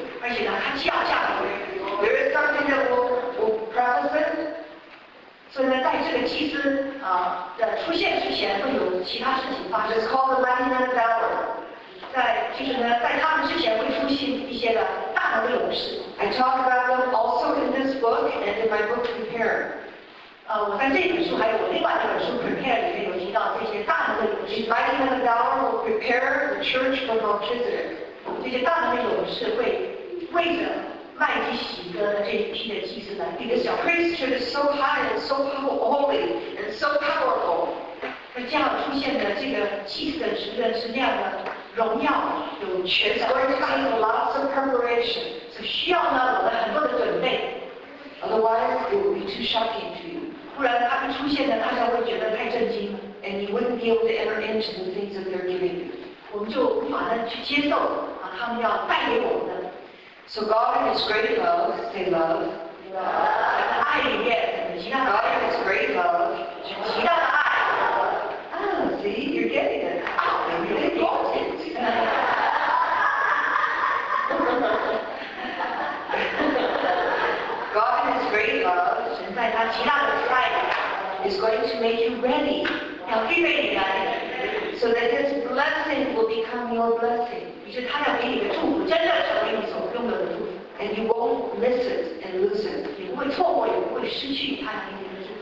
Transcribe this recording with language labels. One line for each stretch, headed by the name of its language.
Chinese: 而且呢，它就要降临。
English: There is something that will present.
Chinese: 所以呢，在这个祭司的出现之前，会有其他事情发生。
English: It's called the Lightning and the Thunder.
Chinese: 在就是呢，在他们之前会出现一些的大能的勇士。
English: I talk about them also in this book and in my book Prepare.
Chinese: 我在这本书还有我另外一本书 Prepare 里面有提到这些大能的勇士
English: Lightning and Power will prepare the church for Melchizedek
Chinese: 这些大能的勇士会为着麦基洗德的这一批的祭司来因为
English: priesthood is so high and so holy and so powerful
Chinese: 这样出现的这个祭司的职任是那样的荣耀有权的
English: It's going to take lots of preparation
Chinese: 是需要呢我们很多的准备
English: Otherwise it will be too shocking to you
Chinese: 不然他们出现的大家会觉得太震惊了
English: and you wouldn't be able to enter into the things that they're giving you
Chinese: 我们就无法呢去接受他们要带给我们的
English: so God in his great love say love
Chinese: 爱里面
English: God in his great love
Chinese: 极大的爱
English: oh see you're getting it oh you're really got it God in his great love
Chinese: 神在他极大的
English: is going to make you ready.
Chinese: 要预备你来。
English: So that his blessing will become your blessing.
Chinese: 于是他要给你的祝福真正成为你所拥有的祝福。
English: And you won't miss it and lose it.
Chinese: 你不会错过，也不会失去他给你的祝福。